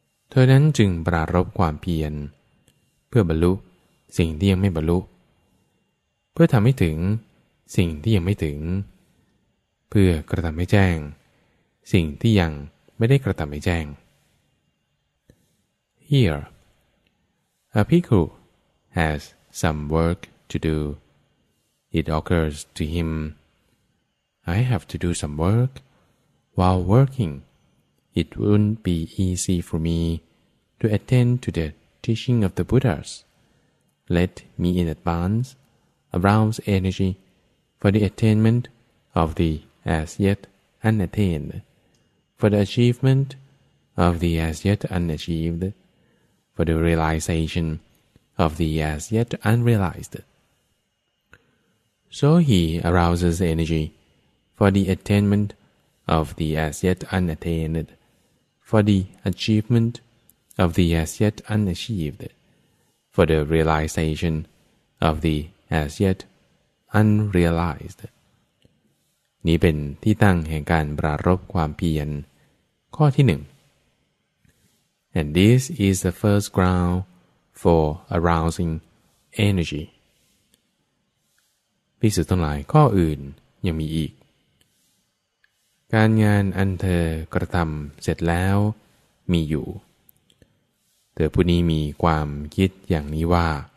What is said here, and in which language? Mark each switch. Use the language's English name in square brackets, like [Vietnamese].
[Thai] เธอนั้นจึงปรารภความเพียรเพื่อบรรลุสิ่งที่ยังไม่บรรลุเพื่อทำให้ถึงสิ่งที่ยังไม่ถึงเพื่อกระทำให้แจ้งสิ่งที่ยังไม่ได้กระทำให้แจ้ง [English] Here, a bhikkhu has some work to do. It occurs to him, I have to do some work. While working, it wouldn't be easy for me to attend to the teaching of the Buddhas. Let me in advance arouse energy for the attainment of the as yet unattained, for the achievement of the as yet unachieved, for the realization of the as yet unrealized. So he arouses energy for the attainment of the as yet unattained, for the achievement of the as yet unachieved. For the realization of the as yet unrealized. [Thai] นี้เป็นที่ตั้งแห่งการปรารภความเพียรข้อที่หนึ่ง [English] And this is the first ground for arousing energy. [Thai] ภิกษุทั้งหลายข้ออื่นยังมีอีกการงานอันเธอกระทำเสร็จแล้วมีอยู่เธอผู้นี้มีความคิดอย่างนี้ว่า